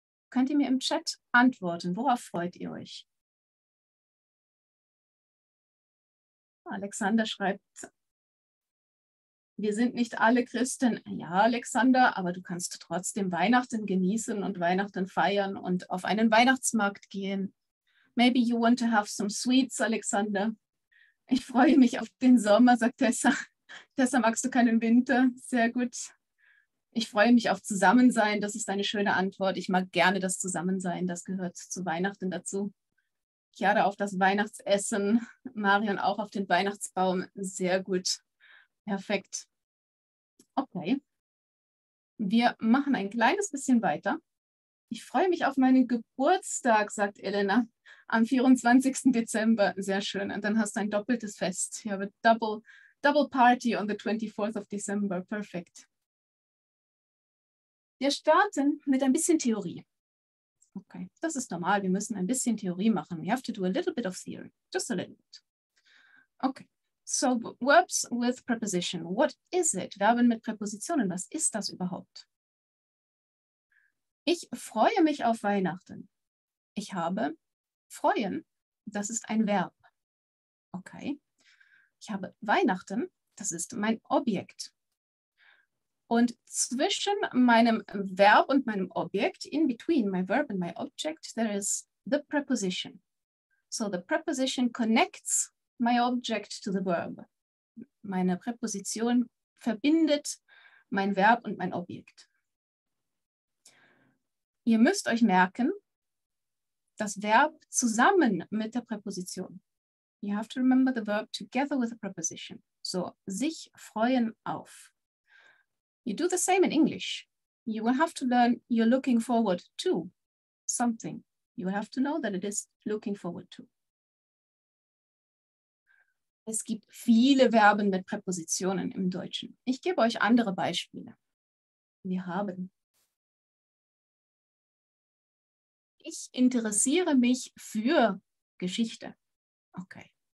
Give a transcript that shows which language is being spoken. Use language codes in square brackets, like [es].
[de] Könnt ihr mir im Chat antworten, worauf freut ihr euch? Alexander schreibt, wir sind nicht alle Christen. Ja, Alexander, aber du kannst trotzdem Weihnachten genießen und Weihnachten feiern und auf einen Weihnachtsmarkt gehen. [en] Maybe you want to have some sweets, Alexander. [de] Ich freue mich auf den Sommer, sagt Tessa. Tessa, magst du keinen Winter? Sehr gut. Ich freue mich auf Zusammensein. Das ist eine schöne Antwort. Ich mag gerne das Zusammensein. Das gehört zu Weihnachten dazu. Chiara auf das Weihnachtsessen, Marion auch auf den Weihnachtsbaum. Sehr gut. Perfekt. Okay. Wir machen ein kleines bisschen weiter. Ich freue mich auf meinen Geburtstag, sagt Elena, am 24. Dezember. Sehr schön. Und dann hast du ein doppeltes Fest. [en] You have a double party on the 24th of December. Perfect. [de] Wir starten mit ein bisschen Theorie. Okay, das ist normal. Wir müssen ein bisschen Theorie machen. [en] We have to do a little bit of theory. Just a little bit. Okay. So, verbs with preposition. What is it? [de] Verben mit Präpositionen. Was ist das überhaupt? Ich freue mich auf Weihnachten. Ich habe freuen. Das ist ein Verb. Okay. Ich habe Weihnachten. Das ist mein Objekt. Und zwischen meinem Verb und meinem Objekt, [en] in between my verb and my object, there is the preposition. So, the preposition connects my object to the verb. [de] Meine Präposition verbindet mein Verb und mein Objekt. Ihr müsst euch merken, das Verb zusammen mit der Präposition. [en] You have to remember the verb together with the preposition. So, sich freuen auf. You do the same in English. You will have to learn you're looking forward to something. You will have to know that it is looking forward to. [de] Es gibt viele Verben mit Präpositionen im Deutschen. Ich gebe euch andere Beispiele. Wir haben. Ich interessiere mich für Geschichte. Okay.